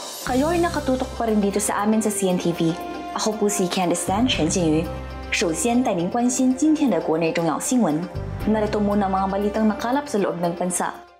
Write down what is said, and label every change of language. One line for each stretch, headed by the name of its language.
Filipino: Kayo ay nakatutok pa rin dito sa amin sa CNTV. Ako po si Candice Dan, 陈静瑜.
Chinese: 首先带您关心今天的国内重要新闻.
Filipino: Narito muna mga balitang nakalap sa loob ng bansa.